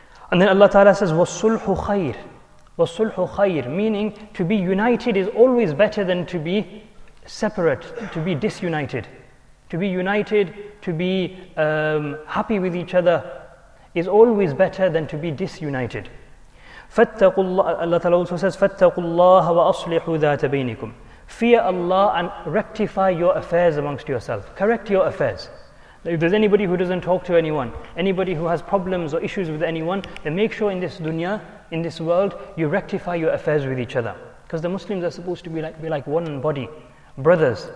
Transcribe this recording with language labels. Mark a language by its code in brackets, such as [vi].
[en] And then Allah Ta'ala says, [ar] وَالصُلْحُ خَيْرٌ وَالصُلْحُ خَيْرٌ, [en] meaning to be united is always better than to be separate, to be disunited. To be united, to be happy with each other, is always better than to be disunited. Allah Ta'ala also says, [ar] فَاتَّقُوا اللَّهَ وَأَصْلِحُوا ذَاتَ بَيْنِكُمْ. [en] Fear Allah and rectify your affairs amongst yourself. Correct your affairs. If there's anybody who doesn't talk to anyone, anybody who has problems or issues with anyone, then make sure in this dunya, in this world, you rectify your affairs with each other. Because the Muslims are supposed to be like one body, brothers.